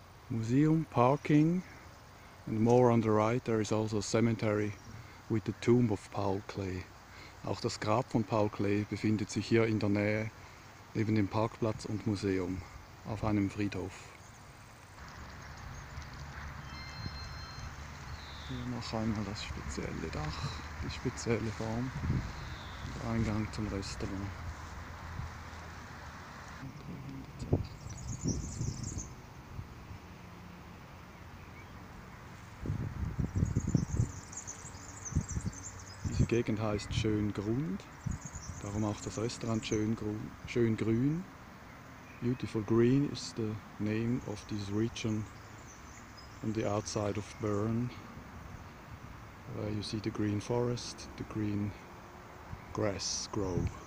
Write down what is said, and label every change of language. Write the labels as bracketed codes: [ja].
[en] Museum, parking, and more on the right there is also a cemetery with the tomb of Paul Klee. [de] Auch das Grab von Paul Klee befindet sich hier in der Nähe, neben dem Parkplatz und Museum, auf einem Friedhof. Hier noch einmal das spezielle Dach, die spezielle Form, und Eingang zum Restaurant. Die Gegend heißt Schöngrund, darum auch das Restaurant Schöngrün. [en] Beautiful Green is the name of this region on the outside of Bern, where you see the green forest, the green grass grow.